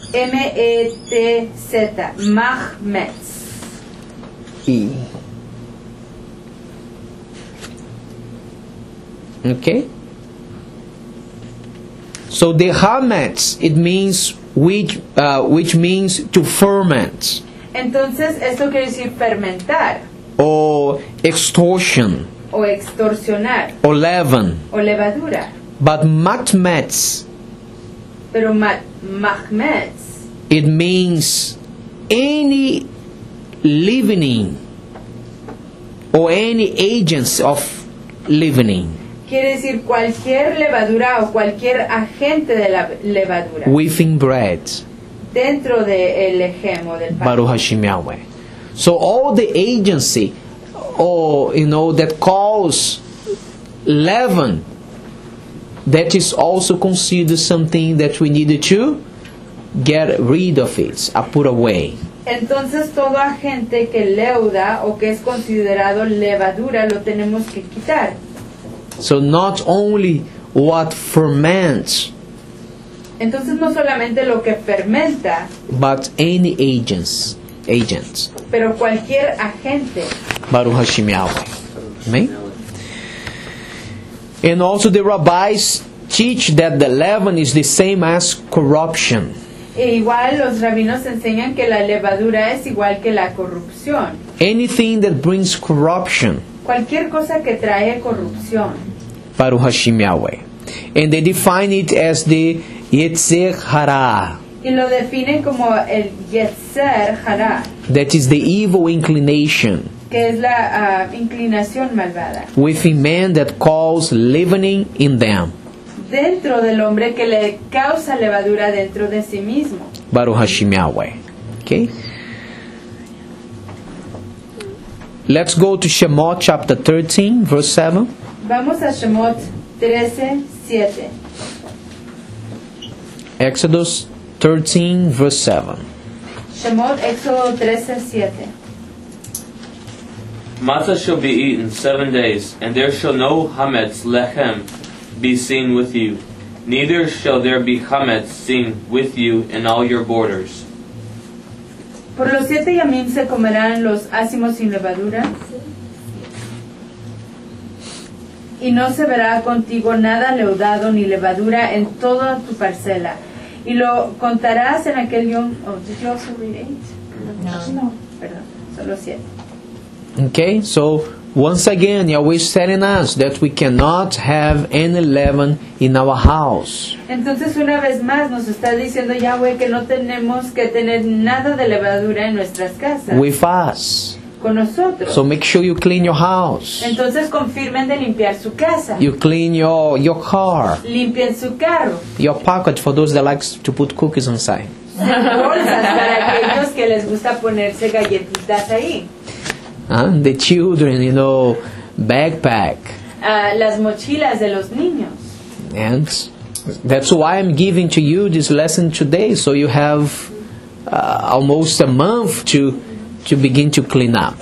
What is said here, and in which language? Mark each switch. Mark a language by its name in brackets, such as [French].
[English] M-E-T-Z. Mahmetz. E. Okay. So the hametz, it means which means to ferment. [Spanish] Entonces esto quiere decir fermentar. [English] Or extortion. [Spanish] O extorsionar. [English] O leaven. [Spanish] O levadura. [English] But matmetz. [Spanish] Pero mahmetz. [English] It means any leavening or any agents of leavening. [Spanish] Quiere decir cualquier levadura o cualquier agente de la levadura. [English] Within bread. [Spanish] Dentro de el ejemo del pan. [Hebrew] Baruch Hashem Yahweh. [English] So all the agency, that cause leaven, that is also considered something that we needed to get rid of it, a put away. [Spanish] Entonces todo agente que leuda o que es considerado levadura lo tenemos que quitar. [English] So not only what ferments. [Spanish] Entonces no solamente lo que fermenta. [English] But any agents. [Spanish] Pero cualquier agente. [Hebrew] Baruch Hashem Yahweh. Amen. [English] And also the rabbis teach that the leaven is the same as corruption. [Spanish] Igual los rabinos enseñan que la levadura es igual que la corrupción. [English] Anything that brings corruption. [Spanish] Cualquier cosa que trae corrupción. [Hebrew] Baruch Hashem Yahweh. [English] And they define it as the Yetzer Hara. [Spanish] Y lo definen como el Yetzer Hara. [English] That is the evil inclination. [Spanish] Que es la inclinación malvada. [English] Within man that causes leavening in them. [Spanish] Dentro del hombre que le causa levadura dentro de sí mismo. [Hebrew] Baruch Hashem Yahweh. Okay. [English] Let's go to Shemot chapter 13, verse 7. [Spanish] Vamos a Shemot 13, 7. [English] Exodus 13, verse 7. [Spanish] Shemot, Exodo 13, 7. [English] Matzah shall be eaten 7 days, and there shall no hametz lechem be seen with you. Neither shall there be hametz seen with you in all your borders. [Spanish] Por los siete yamim se comerán los ácimos sin levadura, y no se verá contigo nada leudado ni levadura en toda tu parcela. Y lo contarás en aquel yom. [English] Oh, did you also read eight? [Spanish] No, perdón, solo siete. [English] Okay, so once again, Yahweh is telling us that we cannot have any leaven in our house. [Spanish] Entonces, una vez más, nos está diciendo Yahweh que no tenemos que tener nada de levadura en nuestras casas. [English] With us. [Spanish] Con nosotros. [English] So make sure you clean your house. [Spanish] Entonces, confirmen de limpiar su casa. [English] You clean your car. [Spanish] Limpien su carro. [English] Your pocket for those that like to put cookies inside. [Spanish] Sus bolsas para aquellos que les gusta ponerse galletitas ahí. [English] And the children, you know, backpack. [Spanish] Las mochilas de los niños. [English] And that's why I'm giving to you this lesson today, so you have almost a month to begin to clean up.